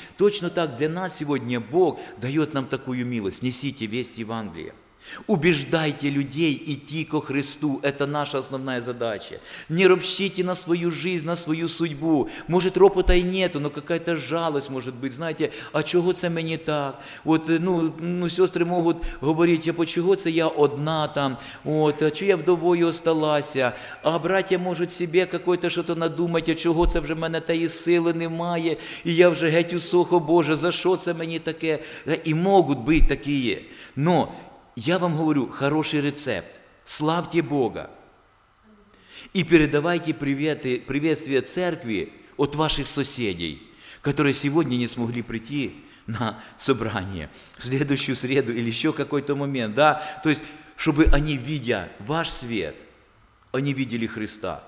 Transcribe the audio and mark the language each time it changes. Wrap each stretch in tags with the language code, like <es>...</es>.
<ru>Точно так для нас сегодня Бог дает нам такую милость. Несите весть Евангелия. Убеждайте людей идти ко Христу. Это наша основная задача. Не ропщите на свою жизнь, на свою судьбу. Может, ропота и нету, но какая-то жалость может быть. Знаете, а чего</ru> <uk>це мені так?</uk> <ru>Вот, ну сестры могут говорить, а почему</ru> <uk>це я одна</uk> <ru>там? Вот,</ru> <uk>а чи я вдовою</uk> <ru>осталася? А братья могут себе какое-то что-то надумать, а чего</ru> <uk>це вже в мене таї сили немає? И я вже геть усохо, Боже, за що це мені таке?</uk> <ru>И могут быть такие. Но я вам говорю, хороший рецепт. Славьте Бога. И передавайте приветы, приветствие церкви от ваших соседей, которые сегодня не смогли прийти на собрание. В следующую среду или еще какой-то момент. Да? То есть, чтобы они, видя ваш свет, они видели Христа.</ru>